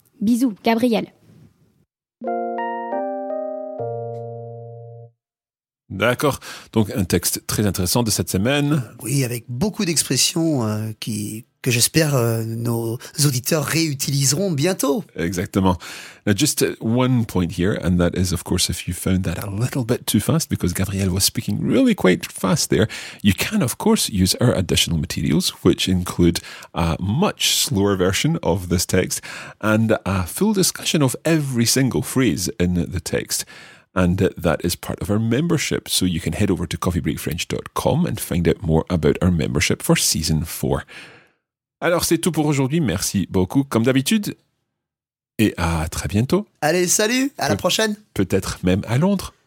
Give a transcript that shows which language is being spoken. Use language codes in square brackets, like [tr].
[fr] Bisous, Gabriel. D'accord, donc un texte très intéressant de cette semaine. Oui, avec beaucoup d'expressions que j'espère nos auditeurs réutiliseront bientôt. Exactement. [en] Now, just one point here, and that is, of course, if you found that a little bit too fast, because Gabrielle was speaking really quite fast there, you can, of course, use our additional materials, which include a much slower version of this text and a full discussion of every single phrase in the text. And that is part of our membership. So you can head over to coffeebreakfrench.com and find out more about our membership for season 4. [fr] Alors, c'est tout pour aujourd'hui. Merci beaucoup, comme d'habitude. Et à très bientôt. Allez, salut, à la prochaine. Peut-être même à Londres.